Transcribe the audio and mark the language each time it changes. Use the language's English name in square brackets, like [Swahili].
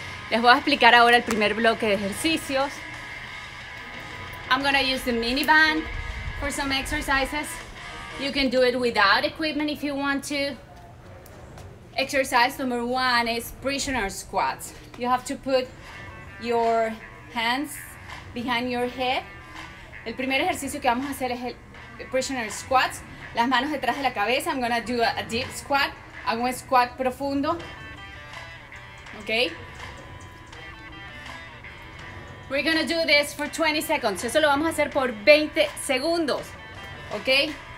[Spanish] Les voy a explicar ahora el primer bloque de ejercicios. [English] I'm gonna use the minivan for some exercises. You can do it without equipment if you want to. Exercise number 1 is prisoner squats. You have to put your hands behind your head. [Spanish] El primer ejercicio que vamos a hacer es el prisoner squats, las manos detrás de la cabeza. [English] I'm gonna do a deep squat. [Spanish] Hago un squat profundo. [English] Ok. We're gonna do this for 20 seconds. [Spanish] Eso lo vamos a hacer por 20 segundos. Ok.